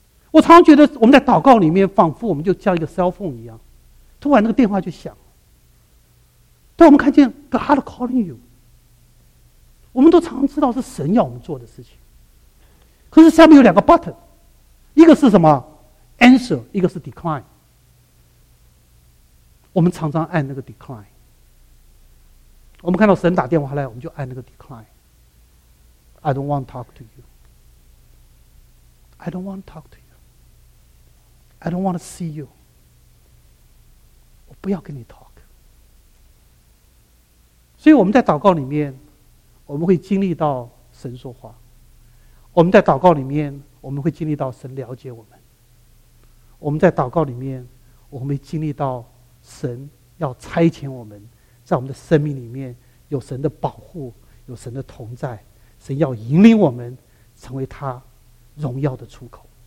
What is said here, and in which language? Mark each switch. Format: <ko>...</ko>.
<zh>我常常觉得，我们在祷告里面仿佛我们就像一个 cell phone 一样，突然那个电话就响，但我们看见</zh> <en>God calling you，</en> <zh>我们都常知道是神要我们做的事情，可是下面有两个 button， 一个是什么 answer， 一个是 decline。我们常常按那个 decline， 我们看到神打电话来，我们就按那个 decline。</zh> <en>I don't want to talk to you， I don't want to talk to you， I don't want to see you，</en> <zh>我不要跟你</zh> <en>talk。</en> <zh>所以我们在祷告里面，我们会经历到神说话。我们在祷告里面，我们会经历到神了解我们。我们在祷告里面，我们会经历到神要差遣我们，在我们的生命里面有神的保护，有神的同在，神要引领我们成为他荣耀的出口。</zh>